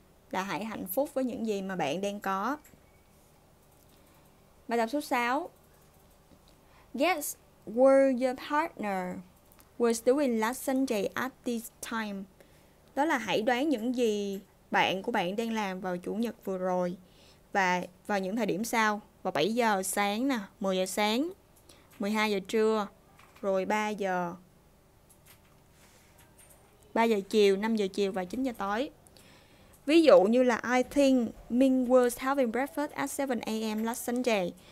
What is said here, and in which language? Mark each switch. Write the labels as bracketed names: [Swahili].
[Vietnamese] Là hãy hạnh phúc với những gì mà bạn đang có. Bài tập số 6. [English] Guess where your partner was doing last Sunday at this time. [Vietnamese] Đó là hãy đoán những gì bạn của bạn đang làm vào chủ nhật vừa rồi và vào những thời điểm sau, vào 7 giờ sáng nè, 10 giờ sáng, 12 giờ trưa, rồi 3 giờ. 3 giờ chiều, 5 giờ chiều và 9 giờ tối. Ví dụ như là [English] I think Ming was having breakfast at 7 a.m. last Sunday.